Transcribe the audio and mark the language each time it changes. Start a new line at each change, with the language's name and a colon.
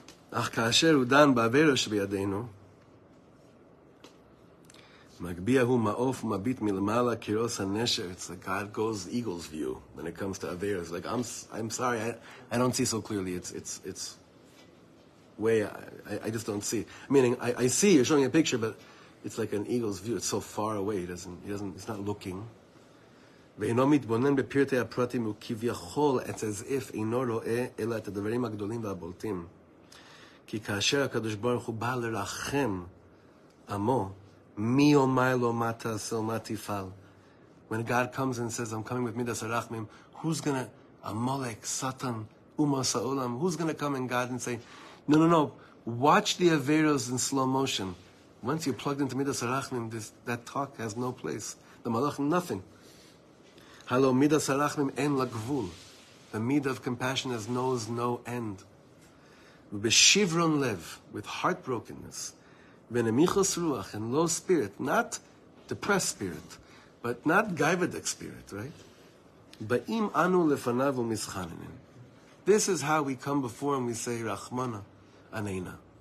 Hebrew: אך כאשר הוא דן בעבירה שבידינו, מגביע הוא מעוף מביט מלמעלה כראות הנשר.
English: It's like God goes eagle's view when it comes to Aver. It's like, I'm sorry, I don't see so clearly. It's way, I just don't see. Meaning, I see, you're showing a picture, but it's like an eagle's view. It's so far away, it's not looking.
Hebrew: ואינו מתבונן בפרטי הפרטים, הוא כביכול,
English: it's as if,
Hebrew: אינו רואה, אלא את הדברים הגדולים והבולטים. כי כאשר הקדוש ברוך הוא בא לרחם עמו, מי אומר לו מה תעשה ומה תפעל?
English: When God comes and says, I'm coming with midas הרחמים, who's gonna, Amalek, Satan, Umos HaOlam, who's gonna come in God and say, no, watch the Averos in slow motion. Once you're plugged into midas הרחמים, that talk has no place. The Malach, nothing.
Hebrew: הלו, midas הרחמים אין לגבול.
English: The mid of compassion knows no end.
Hebrew: B'shivron lev,
English: with heartbrokenness,
Hebrew: v'nemichos ruach,
English: and low spirit, not depressed spirit, but not gaivadek spirit, right?
Hebrew: Ba'im anu lefanav u'mischaninim.
English: This is how we come before and we say,
Hebrew: Rachmana, aneina.